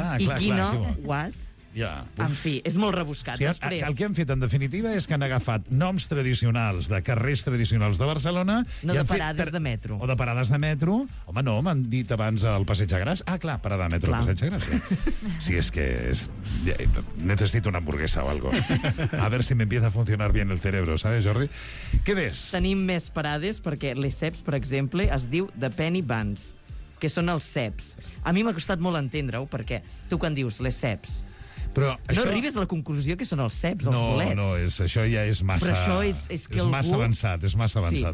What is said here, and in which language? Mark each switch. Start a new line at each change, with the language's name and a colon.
Catalan: I Quina What. Ja. En fi, és molt rebuscat. Sí, el que han fet, en definitiva, és que han agafat noms tradicionals de carrers tradicionals de Barcelona... No, i de parades de metro. O de parades de metro. Home, no, m'han dit abans el Passeig de Gràcia. Ah, clar, parada de metro, clar, el Passeig de Gràcia. Sí, és que és... necessito una hamburguesa
Spanish: o algo. A ver si m'empieza a funcionar bien el cerebro, ¿sabes, Jordi?
Catalan: Què ves? Tenim més parades perquè les CEPs, per exemple, es diu The Penny Buns, que són els CEPs. A mi m'ha costat molt entendre-ho, perquè tu quan dius les CEPs... Però això... No arribes a la conclusió que són els ceps, els bolets. No, això ja és massa... Però això és que és algú... És massa avançat,